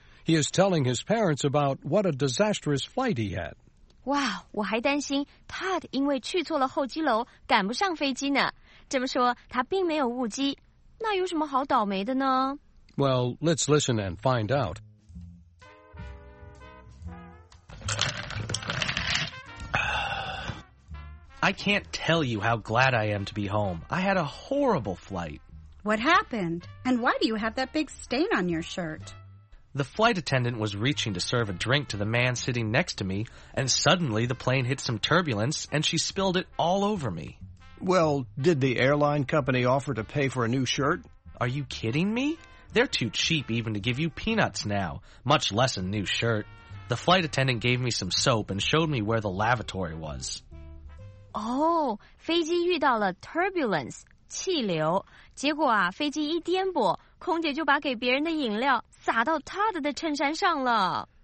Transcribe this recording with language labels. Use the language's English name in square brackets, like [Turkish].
[English] He is telling his parents about what a disastrous flight he had. [Chinese] 哇，我还担心 Todd 因为去错了候机楼赶不上飞机呢。这么说他并没有误机，那有什么好倒霉的呢？ [English] Well, let's listen and find out. I can't tell you how glad I am to be home. I had a horrible flight. What happened? And why do you have that big stain on your shirt? The flight attendant was reaching to serve a drink to the man sitting next to me, and suddenly the plane hit some turbulence, and she spilled it all over me. Well, did the airline company offer to pay for a new shirt? Are you kidding me? They're too cheap even to give you peanuts now, much less a new shirt. The flight attendant gave me some soap and showed me where the lavatory was. [Chinese] 飞机遇到了 turbulence, 气流。结果啊，飞机一颠簸，空姐就把给别人的饮料洒到 Todd 的衬衫上了。